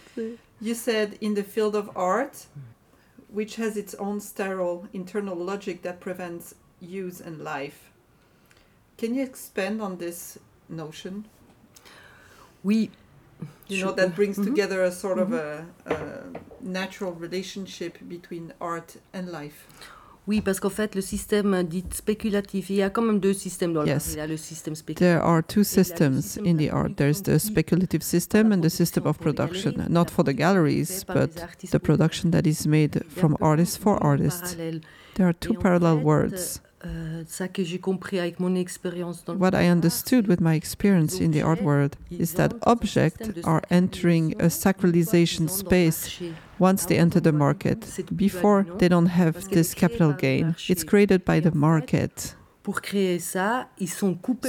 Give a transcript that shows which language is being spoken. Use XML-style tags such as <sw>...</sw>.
<en>You said, in the field of art, which has its own sterile internal logic that prevents use and life. Can you expand on this notion? That brings together a sort of a natural relationship between art and life.</en> <fr>Oui, parce qu'en fait, le système dit spéculatif, il y a quand même deux systèmes dans</fr> <en>yes.</en> <fr>le système spéculatif.</fr> <en>There are two systems in the art. There's the speculative system and the system of production, not for the galleries, but the production that is made from artists for artists. There are two parallel worlds.</en> <fr>Ça que j'ai compris avec mon expérience dans</fr> <en>what I understood with my experience in the art world is that objects are entering a sacralization space once they enter the market. Before, they don't have this capital gain. It's created by the market.</en> <fr>Pour créer ça, ils sont coupés</fr>